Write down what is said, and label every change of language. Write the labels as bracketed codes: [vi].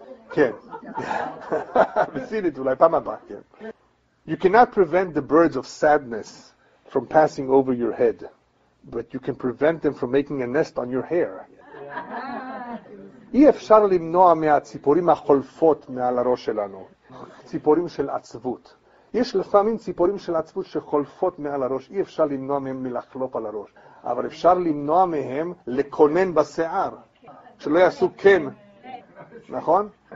[he] כן, בסינית אולי, פעם הבאה, כן. [en] You cannot prevent the birds of sadness from passing over your head, but you can prevent them from making a nest on your hair. [he] אי אפשר למנוע מהציפורים החולפות מעל הראש שלנו, ציפורים של עצבות. יש לפעמים ציפורים של עצבות שחולפות מעל הראש, אי אפשר למנוע מהם מלחלוף על הראש, אבל אפשר למנוע מהם לקונן בשיער, שלא יעשו כן, נכון?